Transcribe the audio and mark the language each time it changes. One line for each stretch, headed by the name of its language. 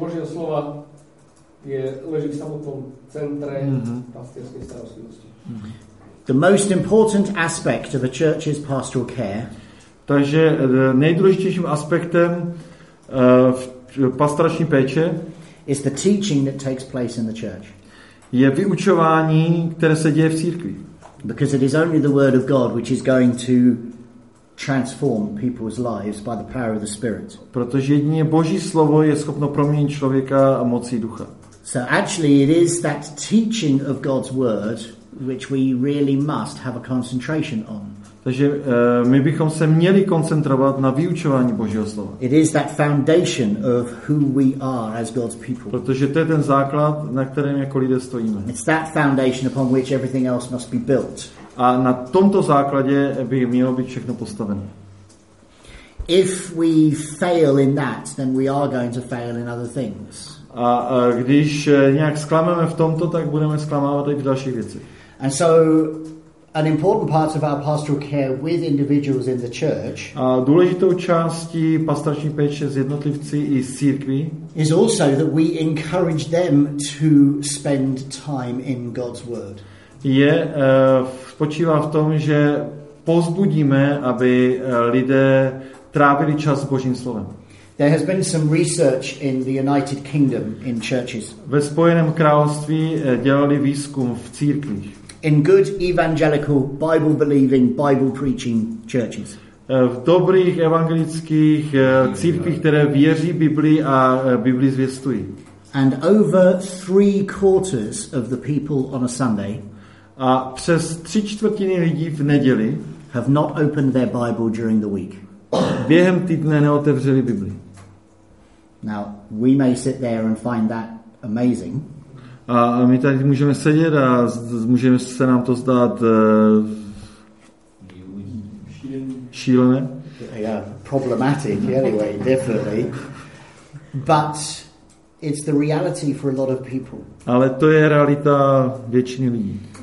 Czech: Božího slova je leží v samotnom centre pastierskej starostlivosti.
English: The most important aspect of a church's pastoral care.
Czech: Takže nejdůležitějším aspektem v pastorační péče
English: is the teaching that takes place in the church.
Czech: Je vyučování, které se děje v církvi.
English: Because it is only the word of God which is going to transform people's lives by the power of the Spirit.
Czech: Protože jedině Boží slovo je schopno proměnit člověka a mocí ducha.
English: So actually it is that teaching of God's word which we really must have a concentration on.
Czech: Takže my bychom se měli koncentrovat na vyučování Božího slova.
English: It is that foundation of who we are as God's people.
Czech: Protože to je ten základ, na kterém jako lidé stojíme.
English: It's that foundation upon which everything else must be built.
Czech: A na tomto základě by mělo být všechno postaveno.
English: If we fail in that, then we are going to fail in other things.
Czech: A když nějak zklameme v tomto, tak budeme zklamávat i v dalších věcech.
English: And so an important part of our pastoral care with individuals in the church.
Czech: A důležitou částí pastorační péče s jednotlivci i s církví
English: is also that we encourage them to spend time in God's word.
Czech: Je spočívá v tom, že pozbudíme, aby lidé trávili čas s Božím slovem.
English: There has been some research in the United Kingdom in churches.
Czech: Ve Spojeném království dělali výzkum v církvích.
English: In good evangelical, Bible-believing, Bible-preaching churches.
Czech: V dobrých evangelických církvích, které věří Biblii a Biblii zvěstují.
English: And over 3/4 of the people on a Sunday.
Czech: A přes 3/4 lidí v neděli.
English: Have not opened their Bible during the week.
Czech: Během týdne neotevřeli Biblii.
English: Now, we may sit there and find that amazing.
Czech: A my tady můžeme sedět a můžeme se nám to zdát šílené.
English: Yeah, problematic anyway, definitely. But it's the reality for a lot of people.
Czech: Ale to je realita většiny lidí.